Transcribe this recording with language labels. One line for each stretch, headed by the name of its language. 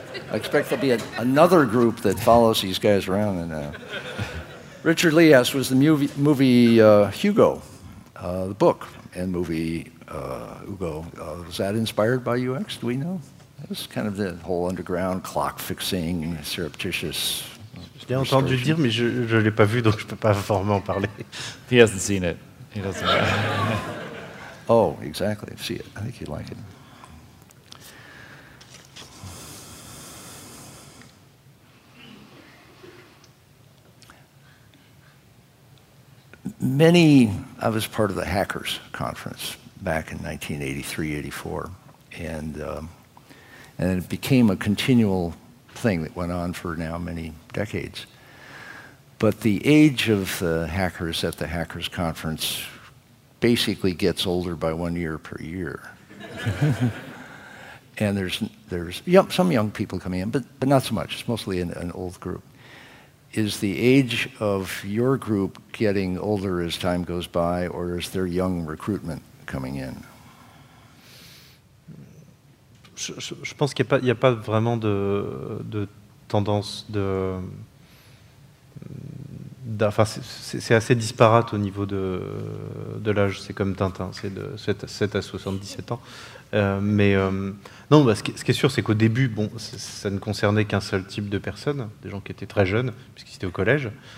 English: I expect there'll be another group that follows these guys around. And Richard Lee asked, was the movie Hugo, the book and movie Hugo, was that inspired by UX? Do we know? That was kind of the whole underground clock fixing, surreptitious.
French: Je l'ai entendu dire, mais je l'ai pas vu, donc je peux pas vraiment parler.
English: He hasn't seen it. He doesn't know. Oh, exactly. See it. I think you'd like it. I was part of the Hackers Conference back in 1983-84, and it became a continual thing that went on for now many decades. But the age of the hackers at the Hackers Conference basically gets older by 1 year per year. And there's some young people coming in, but not so much. It's mostly an old group. Is the age of your group getting older as time goes by, or is there young recruitment coming in?
French: Je pense qu'il n'y a pas vraiment de tendance de. Enfin, c'est assez disparate au niveau de l'âge. C'est comme Tintin, c'est de 7 à 77 ans. Ce qui est sûr, c'est qu'au début, bon, ça ne concernait qu'un seul type de personnes, des gens qui étaient très jeunes, puisqu'ils étaient au collège.